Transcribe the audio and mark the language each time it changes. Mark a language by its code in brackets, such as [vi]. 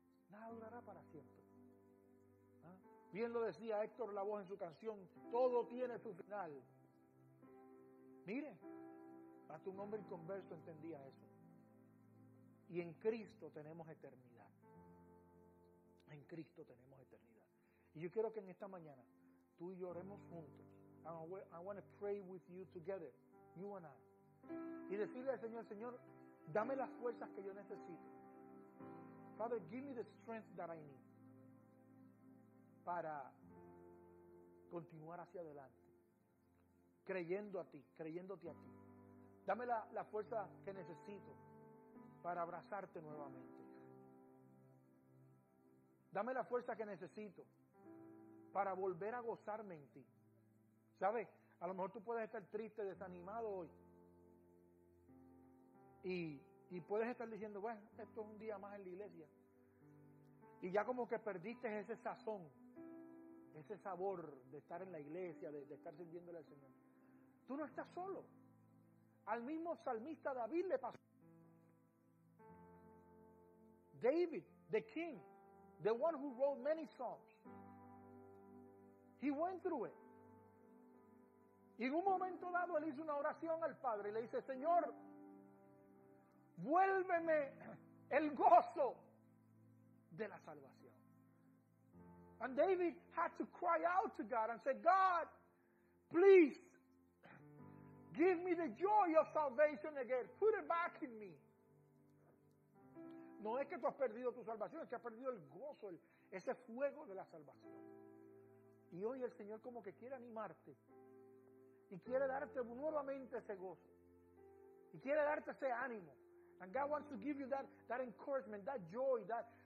[es] Nada durará para siempre. Bien lo decía Héctor Lavoe en su canción, todo tiene su final. Mire, hasta un hombre inconverso entendía eso. Y en Cristo tenemos eternidad. En Cristo tenemos eternidad. Y yo quiero que en esta mañana tú y yo oremos juntos. [en] I want to pray with you together, you and I. [es] Y decirle al Señor, Señor, dame las fuerzas que yo necesito. [en] Father, give me the strength that I need para continuar hacia adelante, creyéndote a ti. [es] Dame la fuerza que necesito para abrazarte nuevamente. Dame la fuerza que necesito para volver a gozarme en ti. ¿Sabes? A lo mejor tú puedes estar triste, desanimado hoy. Y puedes estar diciendo, bueno, esto es un día más en la iglesia. Y ya como que perdiste ese sazón, ese sabor de estar en la iglesia, de estar sirviéndole al Señor. Tú no estás solo. Al mismo salmista David le pasó. [en] David, the king, the one who wrote many songs. He went through it. [es] Y en un momento dado él hizo una oración al Padre y le dice, Señor, vuélveme el gozo de la salvación. [en] And David had to cry out to God and say, God, please give me the joy of salvation again. Put it back in me. [es] No es que tú has perdido tu salvación, es que has perdido el gozo, ese fuego de la salvación. Y hoy el Señor como que quiere animarte y quiere darte nuevamente ese gozo y quiere darte ese ánimo. [en] And God wants to give you that encouragement, that joy, that